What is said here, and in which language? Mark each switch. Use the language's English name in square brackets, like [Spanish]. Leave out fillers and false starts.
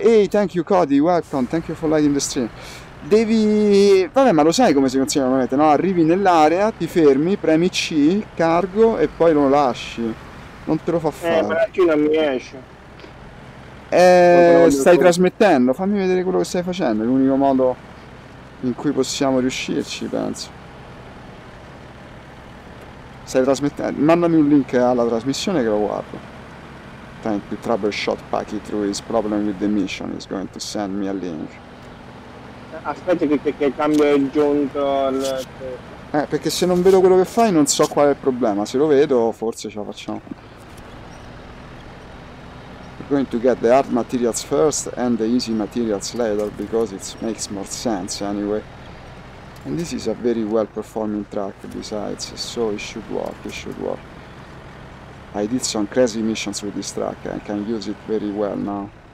[English] Hey, thank you Cody, welcome, thank you for lighting the stream. [Italian] Devi... vabbè, ma lo sai come si consegna la moneta, no? Arrivi nell'area, ti fermi, premi C, cargo e poi lo lasci. Non te lo fa fare. Ma qui non mi esce. Stai trasmettendo, fammi vedere quello che stai facendo, è l'unico modo in cui possiamo riuscirci, penso. Stai trasmettendo, mandami un link alla trasmissione che lo guardo. [English] Thank you, Troubleshot Packy, through his problem with the mission, he's going to send me a link. [Italian] Aspetta che cambio è giunto al... Perché se non vedo quello che fai non so qual è il problema, se lo vedo forse ce la facciamo. [English] We're going to get the hard materials first and the easy materials later because it makes more sense anyway. And this is a very well performing track besides, so it should work. I did some crazy missions with this track, I can use it very well now.